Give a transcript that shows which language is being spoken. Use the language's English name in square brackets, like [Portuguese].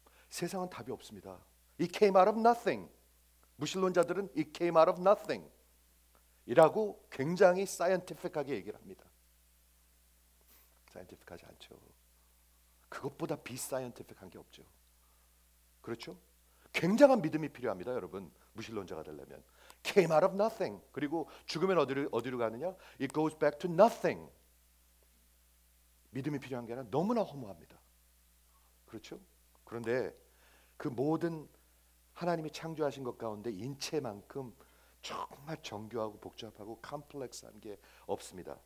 [Korean] 세상은 답이 없습니다. [English] It came out of nothing. [Korean] 무신론자들은 [English] It came out of nothing [Korean] 이라고 굉장히 사이언티픽하게 얘기를 합니다. 사이언티픽하지 않죠. 그것보다 비사이언티픽한 게 없죠. 그렇죠? 굉장한 믿음이 필요합니다. 여러분 무신론자가 되려면 [English] came out of nothing. [Korean] 그리고 죽으면 어디로 가느냐? [English] It goes back to nothing. [Korean] 믿음이 필요한 게 아니라 너무나 허무합니다. 그렇죠? 그런데 그 모든 하나님이 창조하신 것 가운데 인체만큼 정말 정교하고 복잡하고 컴플렉스한 게 없습니다.